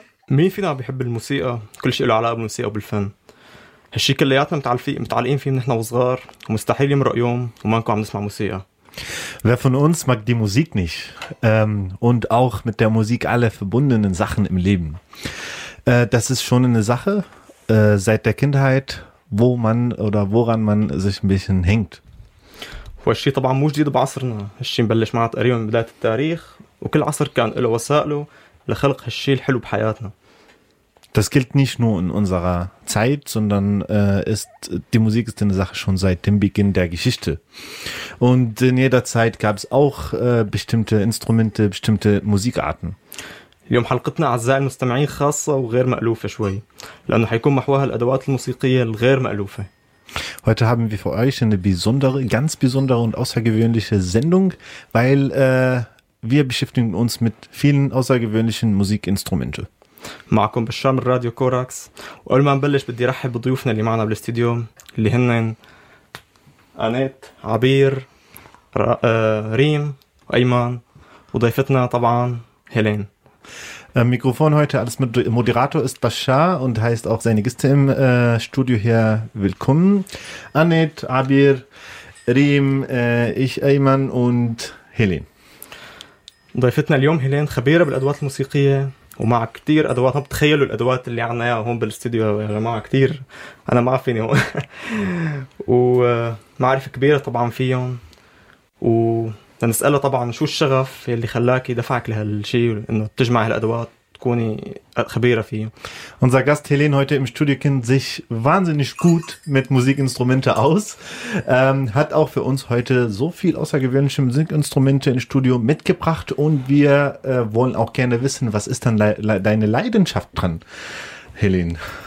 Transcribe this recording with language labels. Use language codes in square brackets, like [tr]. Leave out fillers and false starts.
[ar] مين فينا بيحب الموسيقى؟ كل شيء له علاقة بالموسيقى وبالفن. هالشي كلياتنا متعلقين فيه من احنا وصغار, ومستحيل يمرق يوم وما نكون عم نسمع موسيقى. [de] Wer von uns mag die Musik nicht? Und auch mit der Musik alle verbundenen Sachen im Leben. Das ist schon eine Sache seit der Kindheit, wo man oder woran man sich ein bisschen hängt. [ar] هالشي طبعا مو جديد بعصرنا. هالشي مبلش معنا تقريبا من بداية التاريخ, وكل عصر كان له وسائله لخلق هالشي الحلو بحياتنا. [de] Das gilt nicht nur in unserer Zeit, sondern die Musik ist eine Sache schon seit dem Beginn der Geschichte. Und in jeder Zeit gab es auch bestimmte Instrumente, bestimmte Musikarten. [ar] اليوم حلقتنا أعزائي المستمعين خاصة وغير مألوفة شوي, لأنه حيكون محوها الأدوات الموسيقية الغير مألوفة. [de] Heute haben wir für euch eine besondere, ganz besondere und außergewöhnliche Sendung, weil wir beschäftigen uns mit vielen außergewöhnlichen Musikinstrumenten. [ar] معكم بشام من راديو كوراكس, وقبل ما نبلش بدي رحب بضيوفنا اللي معنا بالاستديو اللي هن أنيت, عبير, ريم, وأيمان, وضيفتنا طبعا هيلين. [de] Mikrofon heute alles mit Moderator ist Bashar und heißt auch seine Gäste im Studio hier willkommen. Anet, Abir, Rim, ich, Ayman und Helen. [ar] ضيفتنا اليوم هيلين خبيرة بالأدوات الموسيقية ومع كتير أدوات. هم بتخيلوا الأدوات اللي عنا يا هون بالاستوديو يا جماعة, كتير أنا ما عارفيني هون ومعرفة كبيرة طبعا فيهم. ونسأله طبعا شو الشغف اللي خلاك يدفعك لهالشي إنه تجمع هالأدوات تكوني خبيرة فيه. [de] Unser Gast Helene heute im Studio kennt sich wahnsinnig gut mit Musikinstrumente aus, hat auch für uns heute so viel außergewöhnliche Musikinstrumente im Studio mitgebracht, und wir wollen auch gerne wissen, was ist dann deine Leidenschaft dran, Helene?